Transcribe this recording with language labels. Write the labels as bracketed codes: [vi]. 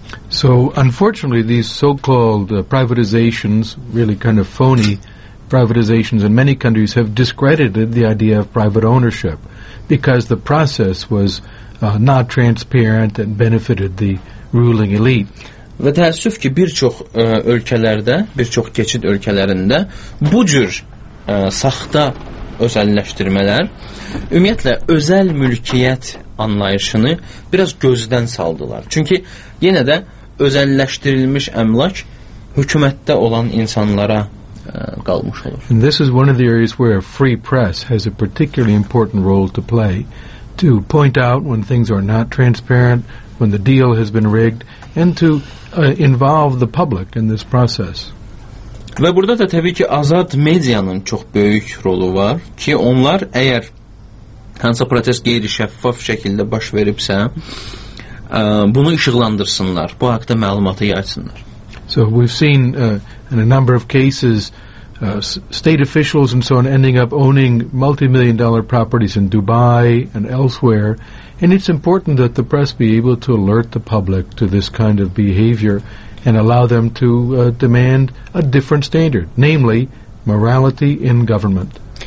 [en] So unfortunately these so-called privatizations, really kind of phony privatizations in many countries, have discredited the idea of private ownership because the process was not transparent and benefited the ruling elite. [az] Və təəssüf ki, bir çox ölkələrdə, bir çox keçid ölkələrində bu cür saxta özəlləşdirmələr ümumiyyətlə özəl mülkiyyət anlayışını biraz gözdən saldılar. Çünki yenə də özəlləşdirilmiş əmlak hökumətdə olan insanlara qalmış olur. [en] And this is one of the areas where free press has a particularly important role to play, to point out when things are not transparent, when the deal has been rigged, and to involve the public in this process. [az] Və burada da təbii ki, azad medianın çox böyük rolu var ki, onlar əgər hansısa protest qeyri-şəffaf şəkildə baş veribsə, bunu işıqlandırsınlar, bu haqda məlumatı yaysınlar. [en] So we've seen in a number of cases state officials and so on ending up owning multi-million dollar properties in Dubai and elsewhere. And it's important that the press be able to alert the public to this kind of behavior and allow them to demand a different standard, namely morality in government.